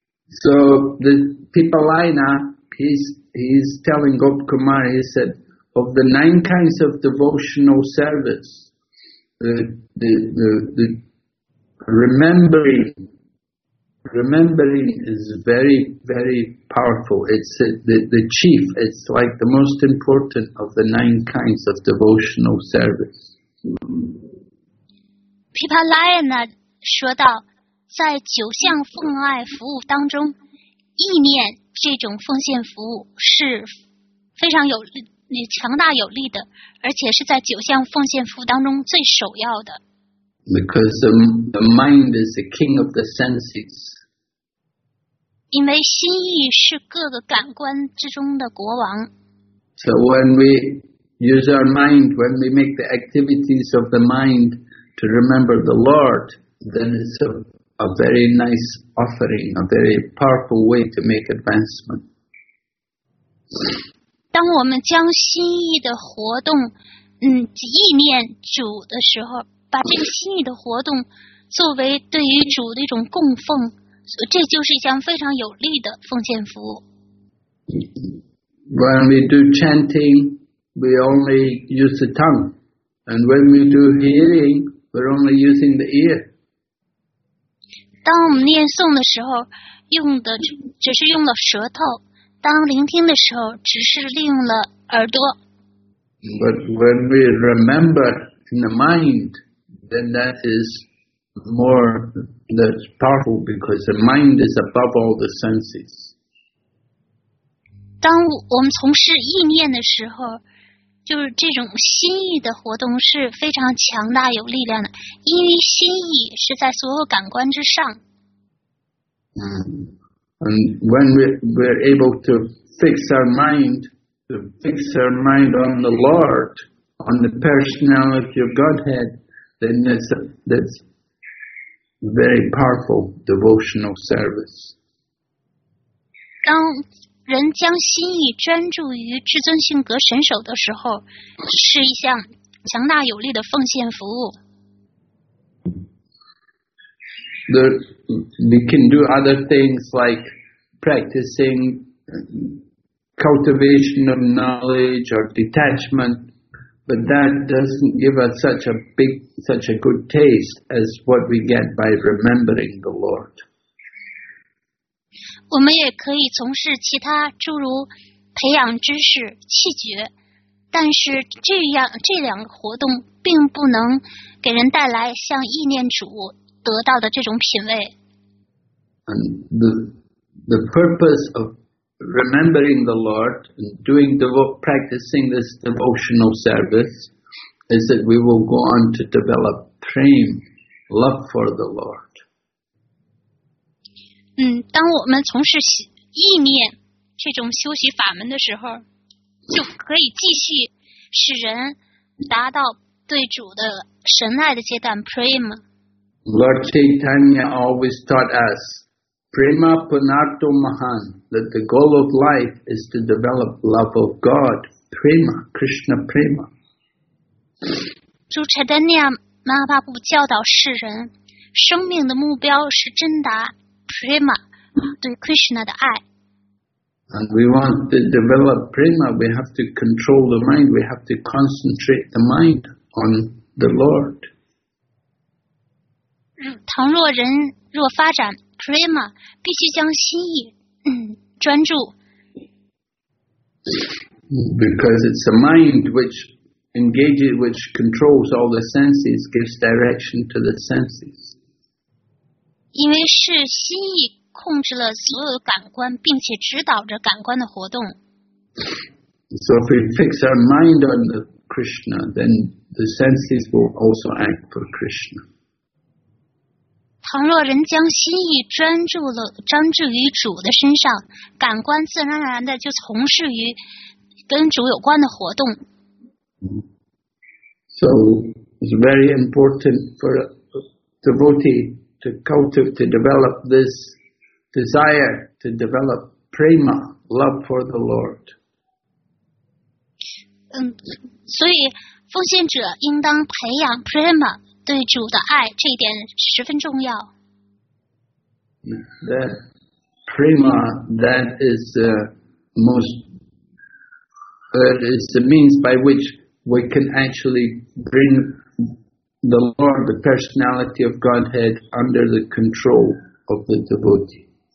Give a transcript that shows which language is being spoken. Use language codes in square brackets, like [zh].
[en] So the Pipalina, He's telling Gop Kumar, he said, of the nine kinds of devotional service, the remembering is very, very powerful. It's the chief, it's like the most important of the nine kinds of devotional service. [zh] Pipalayana 说道，在九项奉爱服务当中，意念这种奉献服务是非常有力、强大有力的，而且是在九项奉献服务当中最首要的。 [en] Because the mind is the king of the senses. [zh] 因为心意是各个感官之中的国王。 [en] So when we use our mind, when we make the activities of the mind to remember the Lord, then it's a very nice offering, a very powerful way to make advancement. [zh] 当我们将心意的活动，意念主的时候，把这个心意的活动作为对于主的一种供奉，这就是一项非常有力的奉献服务。 [en] When we do chanting, we only use the tongue, and when we do hearing, we're only using the ear. [zh] 当我们念诵的时候，只是用了舌头；当聆听的时候，只是利用了耳朵。 [en] But when we remember in the mind, then that is more that's powerful because the mind is above all the senses. [zh] 当我们从事意念的时候，就是这种心意的活动是非常强大有力量的，因为心意是在所有感官之上。 [en] And when we're able to fix our mind, to fix our mind on the Lord, on the personality of Godhead, then that's very powerful devotional service. [zh] 当人将心意专注于至尊性格神手的时候，是一项强大有力的奉献服务。 [en] We can do other things like practicing cultivation of knowledge or detachment, but that doesn't give us such a good taste as what we get by remembering the Lord. [zh] 我们也可以从事其他诸如培养知识、气绝，但是这两个活动并不能给人带来像意念主得到的这种品味。 [en] And the purpose of remembering the Lord and doing practicing this devotional service is that we will go on to develop prem, love for the Lord. [zh] 当我们从事意念这种修习法门的时候，就可以继续使人达到对主的神爱的阶段 prem。 [en] Lord Chaitanya always taught us, [sa] Prema Punarto Mahan, [en] that the goal of life is to develop love of God, Prema, Krishna Prema. [zh] 主 Chaitanya Mahaprabhu 教导世人，生命的目标是真达 Prema, 对 Krishna 的爱。 [en] And we want to develop Prema, we have to control the mind, we have to concentrate the mind on the Lord. [zh] 倘若人若发展 prema， 必须将心意专注。 [en] Because it's a mind which engages, which controls all the senses, gives direction to the senses. [zh] 因为是心意控制了所有感官，并且指导着感官的活动。 [en] So if we fix our mind on the Krishna, then the senses will also act for Krishna. [zh] 倘若人将心意专注于主的身上，感官自然而然的就从事于跟主有关的活动。 [en] So it's very important for a devotee to cultivate, to develop this desire to develop prema, love for the Lord. [zh] 所以奉献者应当培养 prema。对主的爱，这一点十分重要。 [en] The prema that is is the means by which we can actually bring the Lord, the personality of Godhead, under the control of the devotee.